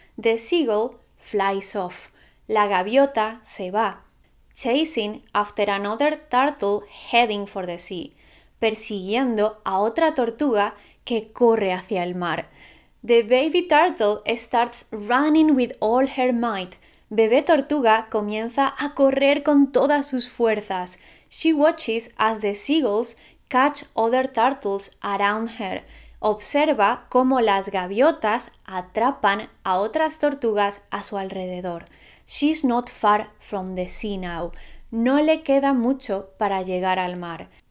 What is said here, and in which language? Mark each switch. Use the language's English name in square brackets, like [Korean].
[English] The seagull flies off. [Spanish] La gaviota se va, [English] chasing after another turtle heading for the sea, [Spanish] persiguiendo a otra tortuga que corre hacia el mar. [English] The baby turtle starts running with all her might. [Spanish] Bebé tortuga comienza a correr con todas sus fuerzas. [English] She watches as the seagulls catch other turtles around her. [Spanish] Observa cómo las gaviotas atrapan a otras tortugas a su alrededor. [English] She's not far from the sea now. [Spanish] No le queda mucho para llegar al mar.